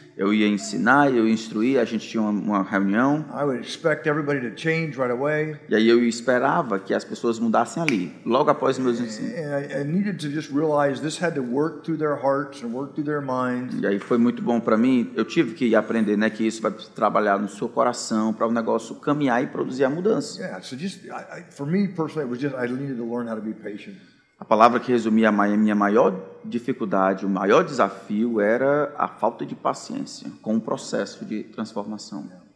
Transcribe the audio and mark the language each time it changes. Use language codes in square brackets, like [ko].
[pt] Eu ia ensinar, eu instruía, a gente tinha uma reunião. [en] I would expect everybody to change right away. [pt] E aí eu esperava que as pessoas mudassem ali, logo após meus ensinos. [en] And I needed to just realize this had to work through their hearts and work through their minds. [pt] E aí foi muito bom para mim. Eu tive que aprender, né, que isso vai trabalhar no seu coração para o negócio caminhar e produzir a mudança. [en] Yeah, so just I, for me personally, it was just I needed to learn how to be patient. [pt] A palavra que resumia a minha maior dificuldade, o maior desafio, era a falta de paciência com o processo de transformação.